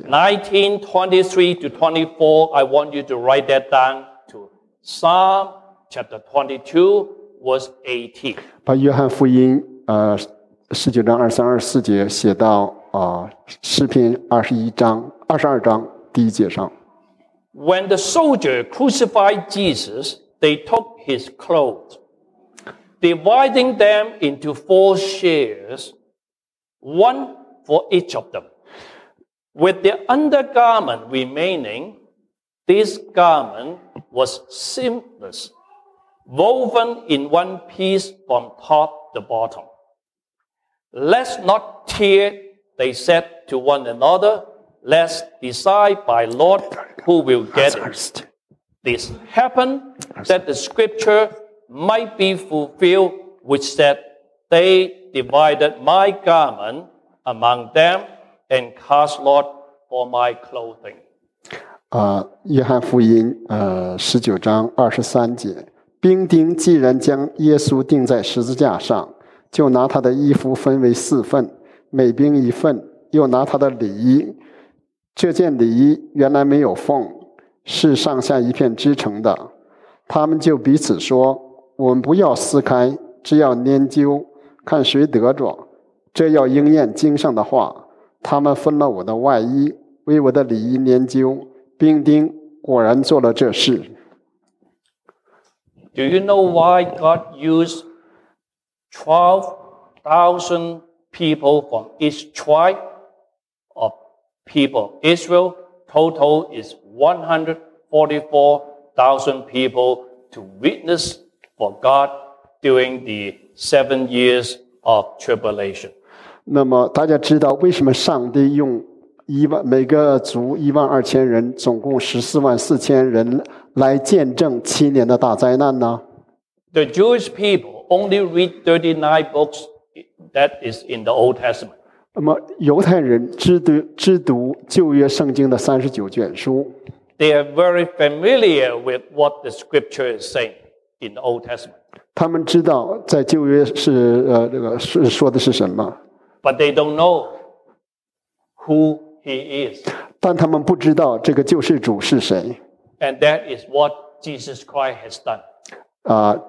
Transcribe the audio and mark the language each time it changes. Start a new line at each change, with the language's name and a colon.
English: 19, 23 to 24, I want you to write that down to Psalm chapter 22, verse 18.
Chinese: 把约翰福音十九章二十三、二十四节写到诗篇二十一章、二十二章第一节上。
English: When the soldier crucified Jesus,They took his clothes, dividing them into four shares, one for each of them. With the undergarment remaining, this garment was seamless, woven in one piece from top to bottom. Let's not tear, they said to one another. Let's decide by lot who will get it. This happened that the scripture might be fulfilled, which said, they divided my garment among them and cast lot for my clothing.
Chinese: 约翰福音19章23节，兵丁既然将耶稣钉在十字架上，就拿他的衣服分为四份，每兵一份，又拿他的礼衣，这件礼衣原来没有缝，是上下一片织成的，他们就彼此说，我们不要撕开，只要研究看谁得着，这要应验经上的话，他们分了我的外衣，为我的礼衣研究，兵丁果然做了这事。
English: Do you know why God used 12,000 people from each tribe of people? Israel total is 144,000 people to witness for God during the 7 years of tribulation.
Chinese: 那么大家知道为什么上帝用每个族12,000人，总共144,000人来见证七年的大灾难呢？
English: The Jewish people only read 39 books that is in the Old Testament.
Chinese: 那么犹太人只读旧约圣经的39卷书。
English: They are very familiar with what the scripture is saying in the Old Testament.
Chinese: 他们知道在旧约是说的是什么。
English: But they don't know who He is.
Chinese: 但他们不知道这个救世主是谁。
English: And that is what Jesus Christ has done.